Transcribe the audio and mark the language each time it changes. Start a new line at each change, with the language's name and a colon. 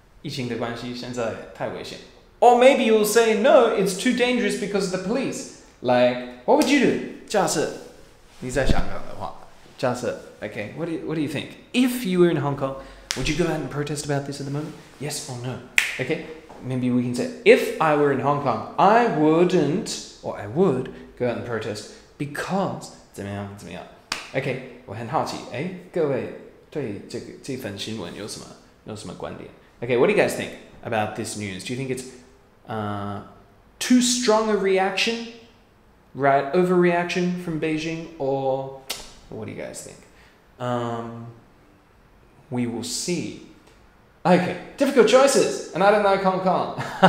Chinese: 疫情的关系现在太危险.
English: Or maybe you'll say, no, it's too dangerous because of the police. Like, what would you do?
Chinese: 假设你在香港的话, 假设,
English: okay, what do you think? If you were in Hong Kong, would you go out and protest about this at the moment? Yes or no? Okay, maybe we can say, if I were in Hong Kong, I wouldn't, or I would, go out and protest because,
Chinese: 怎么样? Okay, 我很好奇,各位对这份新闻有什么观点?
English: Okay, what do you guys think about this news? Do you think it's too strong a reaction, right? Overreaction from Beijing, or what do you guys think? We will see. Okay, difficult choices, and I don't like Hong Kong.